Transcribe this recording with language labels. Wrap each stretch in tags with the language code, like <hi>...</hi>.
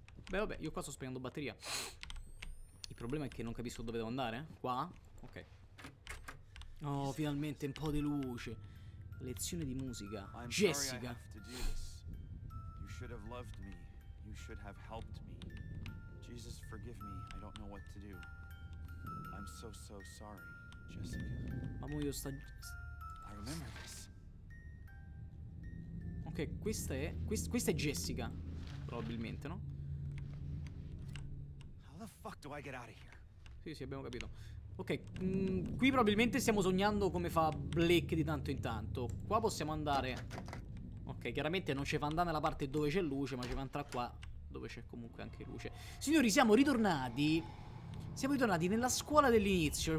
<it>Beh, vabbè, io qua sto spegnendo batteria. Il problema è che non capisco dove devo andare, eh? Qua? Ok. Oh, finalmente un po' di luce. Lezione di musica. Jessica.</it> <en>You should have loved me. You should have helped me. Jesus, forgive me. I don't know what to do. I'm so, so sorry, Jessica.</en> <it>Mamma, io sta...</it> <en>I remember this.</en> <it>Ok, questa è... questa è Jessica. Probabilmente, no?</it> <en>How the fuck do I get out of here?</en> <it>Sì, sì, abbiamo capito. Ok, qui probabilmente stiamo sognando come fa Blake di tanto in tanto. Qua possiamo andare... Ok, chiaramente non ci fa andare nella parte dove c'è luce, ma ci fa entrare qua... dove c'è comunque anche luce. Signori, siamo ritornati. Siamo ritornati nella scuola dell'inizio.</it>